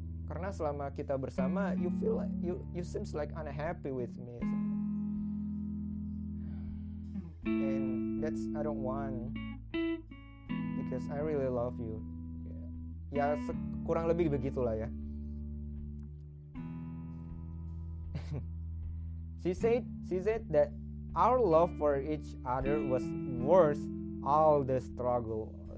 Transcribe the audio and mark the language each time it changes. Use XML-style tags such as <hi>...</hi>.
<id>Karena selama kita bersama,</id> <en>you seems like unhappy with me. So, and that's I don't want, because I really love you.</en> <id>Ya, kurang lebih begitulah ya.</id> <en>She said that our love for each other was worth all the struggle.</en>